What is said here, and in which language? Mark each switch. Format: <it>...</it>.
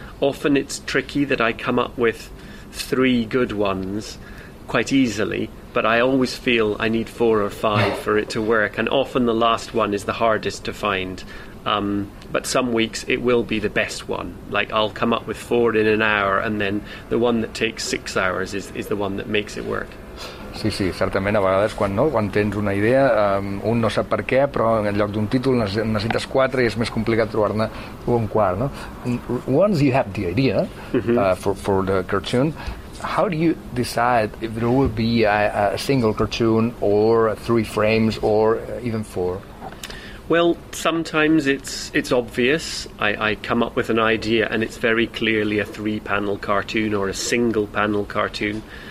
<en>Often it's tricky that I come up with three good ones quite easily, but I always feel I need four or five for it to work, and often the last one is the hardest to find. But some weeks it will be the best one. Like, I'll come up with four in an hour, and then the one that takes 6 hours is the one that makes it work.</en> <ca>Sí, sí, certament, a vegades, quan tens una idea, un no sap per què, però en lloc d'un títol necessites quatre i és més complicat trobar-ne un quart, no?</ca> <en>Once you have the idea for the cartoon, how do you decide if there will be a single cartoon or three frames or even four? Well, sometimes it's obvious. I come up with an idea and it's very clearly a three-panel cartoon or a single-panel cartoon.</en>